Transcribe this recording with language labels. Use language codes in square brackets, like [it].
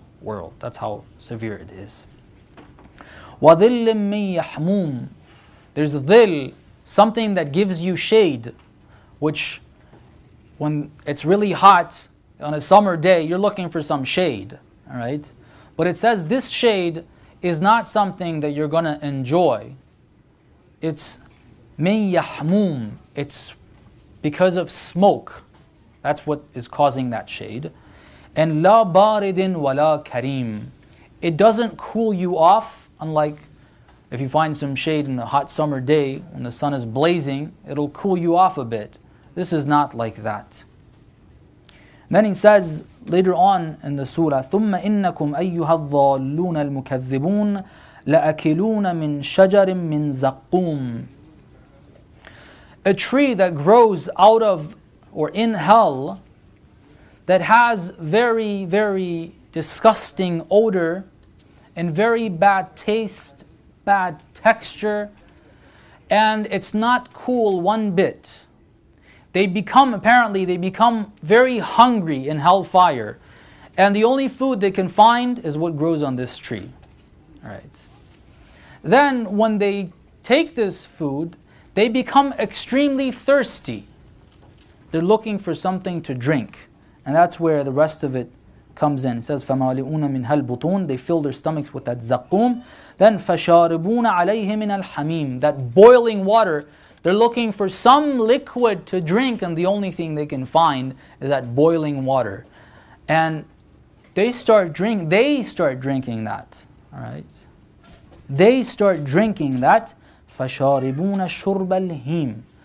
[en] world. That's how severe it is. [ar] وَذِلٍّ مِّن يَحْمُومٍ. [en] There's dhil, something that gives you shade, which when it's really hot on a summer day, you're looking for some shade, all right? But it says this shade is not something that you're going to enjoy. [ar] It's مِن يَحْمُومٍ. [en] It's because of smoke. That's what is causing that shade. [ar] And لَا بَارِدٍ وَلَا كَرِيمٍ. [en] It doesn't cool you off, unlike if you find some shade in a hot summer day when the sun is blazing, it'll cool you off a bit. This is not like that. Then he says later on in the surah, [ar] ثُمَّ إِنَّكُمْ أَيُّهَا الظَّالُّونَ الْمُكَذِّبُونَ لَأَكِلُونَ مِنْ شَجَرٍ مِنْ زَقُّومٍ. [en] A tree that grows out of or in hell that has very, very disgusting odor and very bad taste, bad texture, and it's not cool one bit. They become very hungry in hellfire, and the only food they can find is what grows on this tree. All right. Then when they take this food, they become extremely thirsty. They're looking for something to drink, and that's where the rest of it comes in. It says [ar] فَمَالِئُونَ مِنْهَا الْبُطُونَ. [en] They fill their stomachs with that zakum. [ar] Then فَشَارِبُونَ عَلَيْهِ مِنَ الْحَمِيمِ. [en] That boiling water. They're looking for some liquid to drink, and the only thing they can find is that boiling water. And they start drinking that. Alright. They start drinking that. [ar] فَشَارِبُونَ شُرْبَ الْهِيمِ.